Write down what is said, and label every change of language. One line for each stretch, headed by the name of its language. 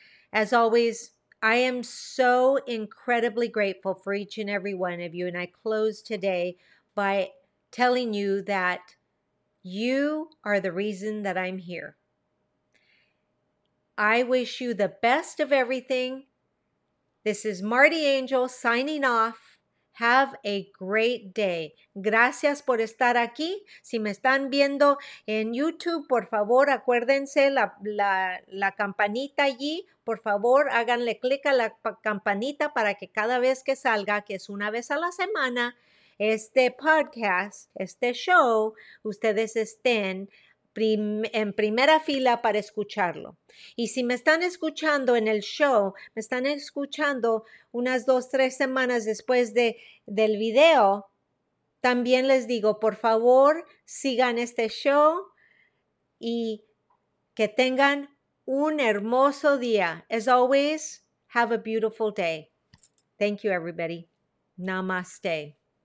English: As always, I am so incredibly grateful for each and every one of you. And I close today by telling you that you are the reason that I'm here. I wish you the best of everything. This is Marty Angel signing off. Have a great day.
Spanish: Gracias por estar aquí. Si me están viendo en YouTube, por favor, acuérdense la campanita allí. Por favor, háganle clic a la campanita para que cada vez que salga, que es una vez a la semana, este podcast, este show, ustedes estén en primera fila para escucharlo. Y si me están escuchando en el show, me están escuchando unas 2-3 semanas después del video, también les digo, por favor, sigan este show y que tengan un hermoso día.
English: As always, have a beautiful day. Thank you, everybody. Namaste.